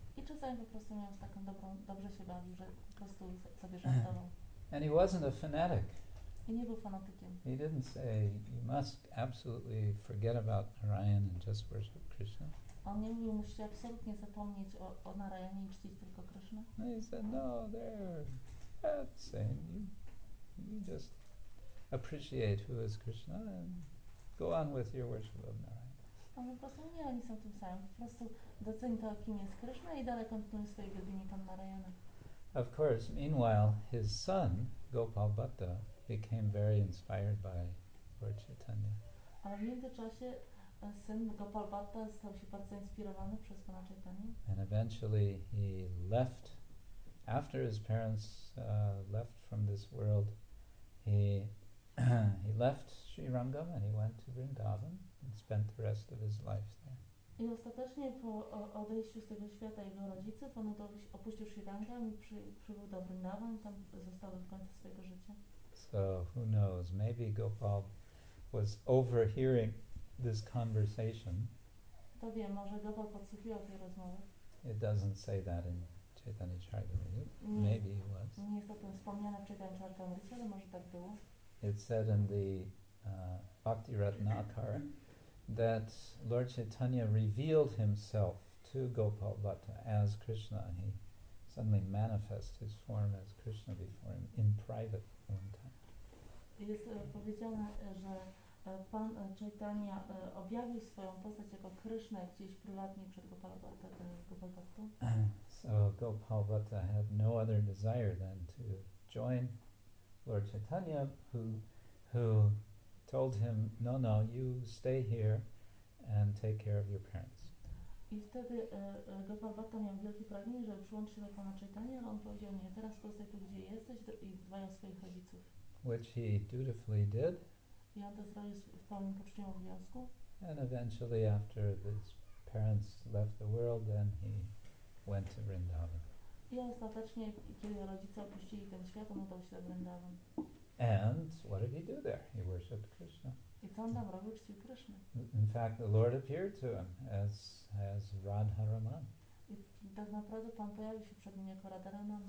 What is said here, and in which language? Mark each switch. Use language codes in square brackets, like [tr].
[pl] I czasami po prostu miał taką dobrze się bawił, że po prostu sobie żartował. [en] And he wasn't a fanatic. [pl] I nie był fanatykiem. [en] He didn't say, you must absolutely forget about Narayan and just worship Krishna. [pl] On nie mówił, musicie absolutnie zapomnieć o Narayanie i czcić tylko Krishna. [en] No, he said, no, they're the same. You just appreciate who is Krishna and go on with your worship of Narayana. [pl] Po prostu nie, oni są tym samym. Po prostu doceni to, kim jest Krishna i dalej kontynuuj swoje wielbienie Pan Narayana. [en] Of course, meanwhile, his son, Gopal Bhatta, became very inspired by Lord Chaitanya. [pl] Ale w międzyczasie syn Gopal Bhatta stał się bardzo inspirowany przez Pana Chaitanya. [en] And eventually he left, after his parents left from this world, he left Sri Rangam and he went to Vrindavan and spent the rest of his life there. [pl] I ostatecznie po odejściu z tego świata jego rodziców, on opuścił Sri Rangam i przybył do Vrindavan i tam został do końca swojego życia. [en] So who knows, maybe Gopal was overhearing this conversation. [pl] To wie, może Gopal podsłuchiwał tej rozmowy. [en] It doesn't say that in Chaitanya Charitamrita. Maybe he was. [pl] Nie jest o tym wspomniane w Chaitanya Charitamrita, ale może tak było. [en] It said in the Bhakti Ratnakara that Lord Chaitanya revealed himself to Gopal Bhatta as Krishna. He suddenly manifests his form as Krishna before him in private one time. [pl] Jest powiedziane, że Pan Chaitanya objawił swoją postać jako Krishna gdzieś prywatnie przed Gopal Bhatta. [en] So Gopal Bhatta had no other desire than to join Lord Chaitanya, who told him, no, no, you stay here and take care of your parents. [pl] I wtedy Gopal Bhatta miał wielkie pragnienie, żeby przyłączyć się do Pana Chaitanya, ale on powiedział, nie, teraz zostań tu, gdzie jesteś i dbaj o swoich rodziców. [en] Which he dutifully did. [pl] I on to zrobił w pełnym poczuciu obowiązku. [en] And eventually after his parents left the world, then he went to Vrindavan. [pl] I ostatecznie, kiedy rodzice opuścili ten świat, on udał się do Vrindavan. [en] And what did he do there? He worshipped Krishna. [pl] I co on tam robił? Czcił Krishna. [en] In fact, the Lord appeared to him as Radharaman. [pl] I tak naprawdę Pan pojawił się przed nim jako Radharaman.